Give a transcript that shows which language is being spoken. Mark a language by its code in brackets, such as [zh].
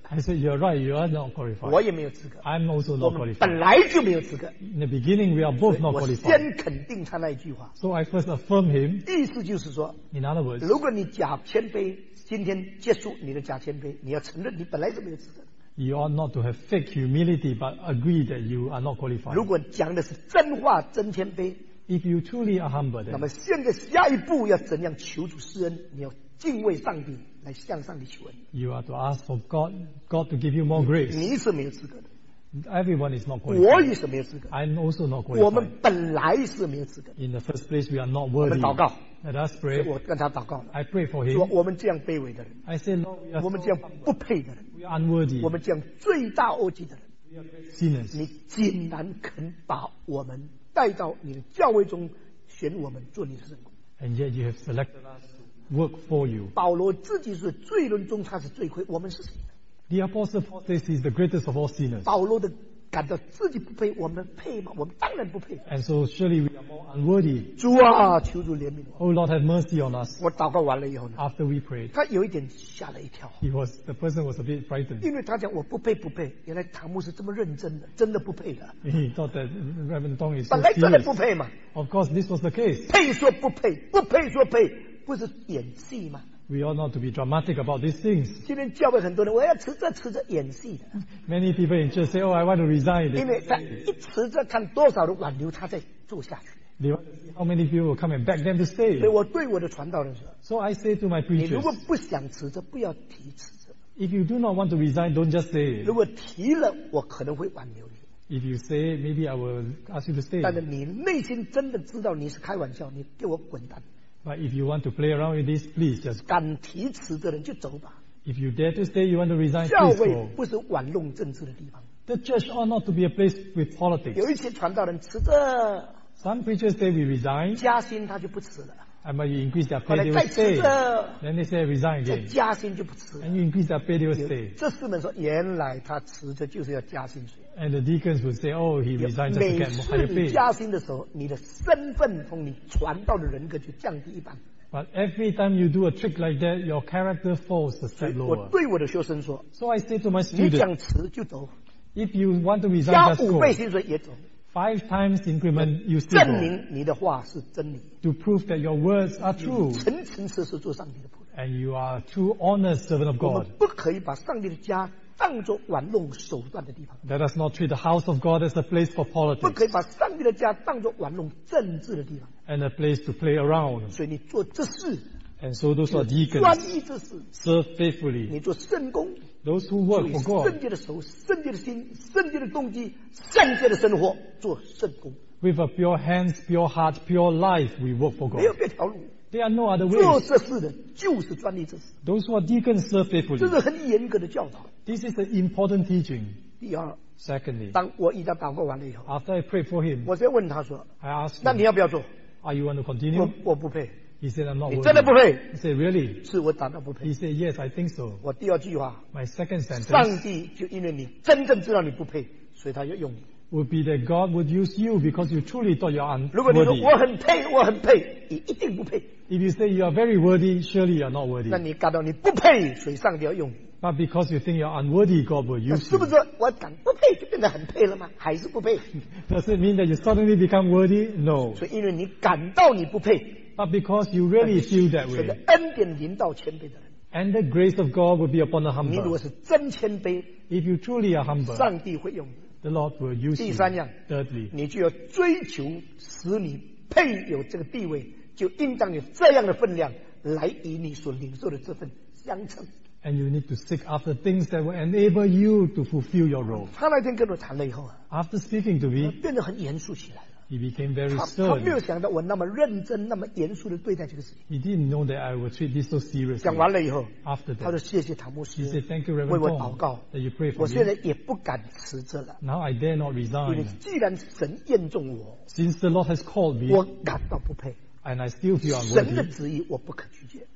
[en] I said, you're right, you are not qualified. [zh] 我也没有资格。 [en] I'm also not qualified. [zh] 我们本来就没有资格。 [en] In the beginning, we are both not qualified. [zh] 我先肯定他那一句话。 [en] So I first affirm him. [zh] 意思就是说， [en] in other words, [zh] 如果你假谦卑，今天结束你的假谦卑，你要承认你本来就没有资格。 [en] You ought not to have fake humility, but agree that you are not qualified. [zh] 如果讲的是真话，真谦卑。 [en] If you truly are humble, then, [zh] 那么现在下一步要怎样求主施恩？你要敬畏上帝，来向上帝求恩。 [en] You are to ask for God to give you more grace. [zh] 你是没有资格的。 [en] Everyone is not qualified. [zh] 我也是没有资格。 [en] I'm also not qualified. [zh] 我们本来是没有资格。 [en] In the first place, we are not worthy. [zh] 我们祷告。 [en] Let us pray. [zh] 我跟他祷告。 [en] I pray for him. [zh] 说我们这样卑微的人。 [en] I say, Lord, we are [zh] 我们这样不配的人。 [en] We are unworthy. [zh] 我们这样罪大恶极的人。 [en] We are sinners. [zh] 你竟然肯把我们带到你的教会中选我们做你的圣工。 [en] And yet you have selected us to work for you. [zh] 保罗自己是罪人中他是罪魁，我们是谁？ [en] The apostle Paul says he is the greatest of all sinners. [zh] 保罗的感到自己不配，我们配吗？我们当然不配。 [en] And so surely we are more unworthy. [zh] 主啊，求主怜悯我。 [en] Oh Lord, have mercy on us. [zh] 我祷告完了以后呢？ [en] After we prayed, [zh] 他有一点吓了一跳。 [en] The person was a bit frightened. [zh] 因为他讲我不配不配，原来唐牧师这么认真的，真的不配的。 [en] He thought that Reverend Tong is so serious. [zh] 本来真的不配嘛。 [en] Of course, this was the case. [zh] 配说不配，不配说配，不是演戏吗？ [en] We ought not to be dramatic about these things. [zh] 今天教会很多人，我要辞职，辞职演戏的。 [en] Many people in church say, "Oh, I want to resign." [zh] 因为他一辞职，看多少人挽留他再做下去。 [en] They want to see how many people will come and beg them to stay. [zh] 所以我对我的传道人说 [en] ，So I say to my preachers, [zh] 你如果不想辞职，不要提辞职。 [en] If you do not want to resign, don't just say it. [zh] 如果提了，我可能会挽留你。 [en] If you say, maybe I will ask you to stay. [zh] 但是你内心真的知道你是开玩笑，你给我滚蛋。 [en] But if you want to play around with this, please just. [zh] 敢提辞的人就走吧。 [en] If you dare to stay, you want to resign, please go. [zh] 教会不是玩弄政治的地方。 [en] The church ought not to be a place with politics. [zh] 有一些传道人辞职。 [en] Some preachers say we resign. [zh] 加薪他就不辞了。 [en] And when you increase their pay, they will stay. Then they say resign again. [zh] 加薪就不辞了。 [en] And you increase their pay, they will stay. [zh] 这四门说，原来他辞职就是要加薪水。 [en] And the deacons would say, oh, he resigned just to get more higher pay. [zh] 每次加薪的时候，你的身份从你传道的人格就降低一半。 [en] But every time you do a trick like that, your character falls a step lower. [zh] 我对我的学生说 [en] ，So I say to my students, [zh] 你想辞就走。 [en] If you want to resign, just go. [zh] 加五倍薪水也走。 [en] Five times increment, you still go. [zh] 证明你的话是真理。 [en] To prove that your words are true. [zh] 诚诚实实做上帝的仆人。 [en] And you are a true, honest servant of God. [zh] 我们不可以把上帝的家当作玩弄手段的地方。 [en] Let us not treat the house of God as a place for politics. [zh] 不可以把上帝的家当作玩弄政治的地方。 [en] And a place to play around. [zh] 所以你做这事。 [en] And so those who are deacons. [zh] 专一这事。 [en] Serve faithfully. [zh] 你做圣工。 [en] Those who work for God. [zh] 圣洁的手，圣洁的心，圣洁的动机，圣洁的生活，做圣工。 [en] With a pure hands, pure heart, pure life, we work for God. [zh] 没有别条路。 [en] There are no other ways. [zh] 做这事的就是专利之事。 [en] Those who are deacons serve faithfully. [zh] 这是很严格的教导。 [en] This is an important teaching. [zh] 第二。 [en] Secondly. [zh] 当我一旦祷告完了以后。 [en] After I prayed for him. [zh] 我再问他说。 [en] I asked. [zh] 那你要不要做 [en] ？Are you want to continue? [zh] 我不配。 [en] He said, "I'm not." [zh] 你真的不配。 [en] He said, "Really?" [zh] 是我胆大不配。 [en] He said, "Yes, I think so." [zh] 我第二句话。 [en] My second sentence. [zh] 上帝就因为你真正知道你不配，所以他要用你。 [en] Would be that God would use you because you truly thought you're unworthy. [zh] 如果你说我很配，我很配，你一定不配。 [en] If you say you are very worthy, surely you are not worthy. [zh] 那你感到你不配，所以上帝要用你。 [en] But because you think you're unworthy, God will use you. [zh] 是不是我敢不配就变得很配了吗？还是不配 [en] ？Does it mean that you suddenly become worthy? No. [zh] 所以因为你感到你不配。 [en] But because you really feel that way. [zh] 所以恩典临到谦卑的人。 [en] And the grace of God will be upon the humble. [zh] 你如果是真谦卑 [en] ，If you truly are humble, [zh] 上帝会用你。 [en] The Lord will use you. [zh] 第三样 [en] ，Thirdly, [zh] 你就要追求使你配有这个地位，就应当有这样的分量来与你所领受的这份相称。 [en] And you need to seek after things that will enable you to fulfill your role. [zh] 他那天跟我谈了以后 [en] After speaking to me, [zh] 变得很严肃起来了。 [en] He became very stern. [zh] 他没有想到我那么认真、那么严肃的对待这个事情。 [en] He didn't know that I would treat this so seriously. [zh] 讲完了以后 [en] ，After that, [zh] 他说谢谢唐牧师。 [en] He said, "Thank you, Reverend Tong, [zh] 为我祷告。 [en] That you pray for me. [zh] 我现在也不敢辞职了。 [en] Now I dare not resign. [zh] 因为既然神验中我 [en] ，Since the Lord has called me, [zh] 我感到不配。 [en] And I still feel unworthy. [zh] 神的旨意我不可拒绝。